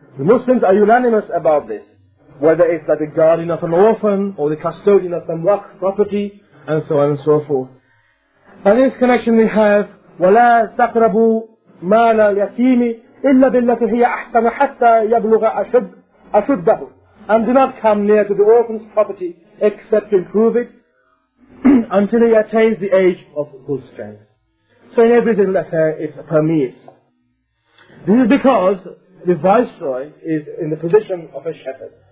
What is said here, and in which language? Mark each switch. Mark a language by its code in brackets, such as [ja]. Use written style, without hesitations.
[en] Whether it's like the guardian of an orphan, or the custodian of some waqf property, and so on and so forth. And in this connection we have, [ar] وَلَا تَقْرَبُوا مَالَ الْيَتِيمِ إلا بالتي هي أحسن حتى يبلغ أشده. [en] And do not come near to the orphan's property except to improve it until he attains the age of full strength. So in everything that it permits. This is because the viceroy is in the position of a shepherd.